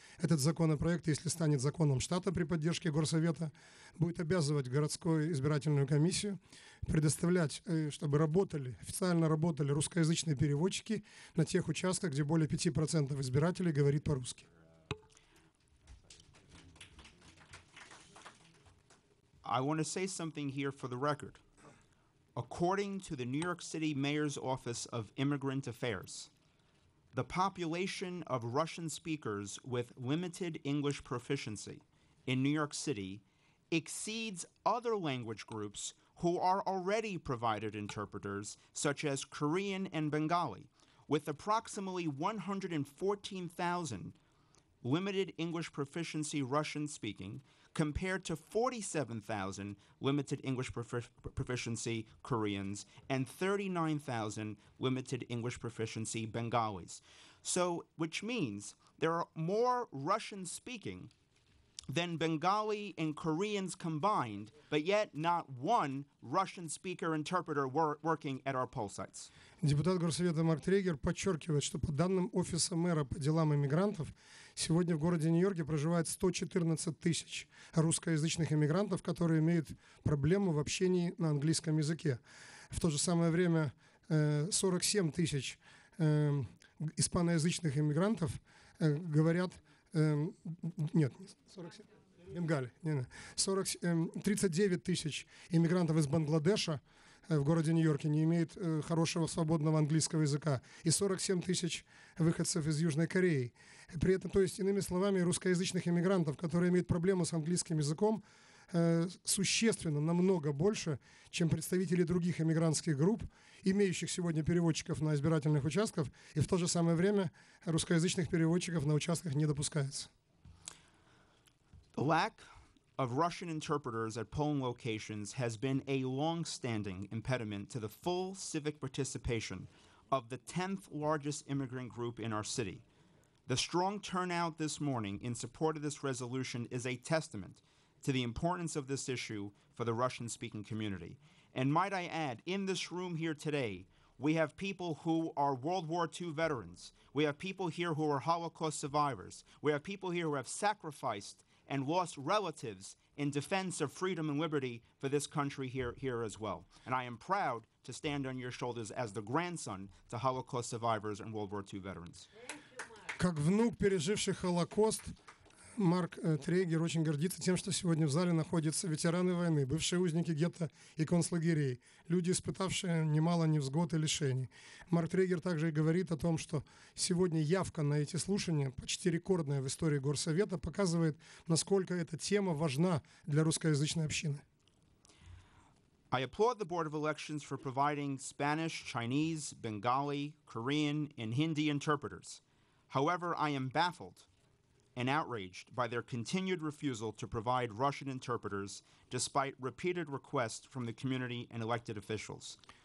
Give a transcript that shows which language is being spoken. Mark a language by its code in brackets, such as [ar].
[ru] Этот законопроект, если станет законом штата при поддержке Горсовета, будет обязывать городскую избирательную комиссию предоставлять, чтобы работали, официально работали русскоязычные переводчики на тех участках, где более 5% избирателей говорит по-русски. [en] I want to say something here for the record. According to the New York City Mayor's Office of Immigrant Affairs, the population of Russian speakers with limited English proficiency in New York City exceeds other language groups who are already provided interpreters, such as Korean and Bengali, with approximately 114,000 limited English proficiency Russian speaking, compared to 47,000 limited English proficiency Koreans and 39,000 limited English proficiency Bengalis. So, which means there are more Russian speaking than Bengali and Koreans combined, but yet not one Russian speaker interpreter working at our poll sites. [ru] Депутат Горсовета Марк Трегер подчеркивает, что по данным Офиса мэра по делам иммигрантов, сегодня в городе Нью-Йорке проживает 114 тысяч русскоязычных иммигрантов, которые имеют проблему в общении на английском языке. В то же самое время 47 тысяч испаноязычных иммигрантов говорят... нет, 47, Бенгаль, не, 40, 39 тысяч иммигрантов из Бангладеша в городе Нью-Йорке не имеет хорошего свободного английского языка, и 47 тысяч выходцев из Южной Кореи. При этом, то есть, иными словами, русскоязычных иммигрантов, которые имеют проблемы с английским языком, существенно намного больше, чем представители других иммигрантских групп, имеющих сегодня переводчиков на избирательных участках, и в то же самое время русскоязычных переводчиков на участках не допускается. [en] The lack of Russian interpreters at polling locations has been a long-standing impediment to the full civic participation of the 10th largest immigrant group in our city. The strong turnout this morning in support of this resolution is a testament to the importance of this issue for the Russian-speaking community. And might I add, in this room here today, we have people who are World War II veterans. We have people here who are Holocaust survivors. We have people here who have sacrificed and lost relatives in defense of freedom and liberty for this country here as well. And I am proud to stand on your shoulders as the grandson to Holocaust survivors and World War II veterans. [ru] Как внук переживших Холокост, Марк Трейгер очень гордится тем, что сегодня в зале находятся ветераны войны, бывшие узники гетто и концлагерей, люди, испытавшие немало невзгод и лишений. Марк Трейгер также и говорит о том, что сегодня явка на эти слушания, почти рекордная в истории Горсовета, показывает, насколько эта тема важна для русскоязычной общины. [en] I applaud the Board of Elections for providing Spanish, Chinese, Bengali, Korean and Hindi interpreters. However, I am baffled and outraged by their continued refusal to provide Russian interpreters despite repeated requests from the community and elected officials.